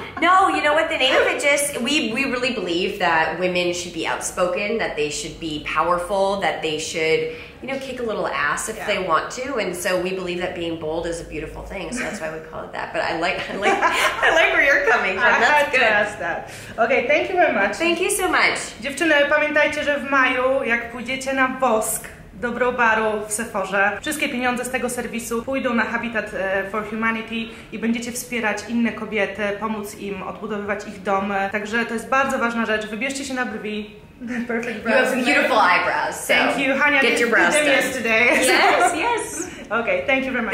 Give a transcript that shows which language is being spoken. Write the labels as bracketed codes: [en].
[en] No, you know what, the name of it just, we really believe that women should be outspoken, that they should be powerful, that they should, you know, kick a little ass if they want to. And so we believe that being bold is a beautiful thing. So that's why we call it that. But I like where you're coming from. That's good. Okay, thank you very much. Thank you so much. [pl] Dziewczyny, pamiętajcie, że w maju, jak pójdziecie na wosk do browaru w Sephorze, wszystkie pieniądze z tego serwisu pójdą na Habitat for Humanity i będziecie wspierać inne kobiety, pomóc im odbudowywać ich domy. Także to jest bardzo ważna rzecz. Wybierzcie się na brwi. [en] Perfect brows. You have beautiful eyebrows. So thank you, Hania. Get your brows done yesterday. Yes, yes. Okay, thank you very much.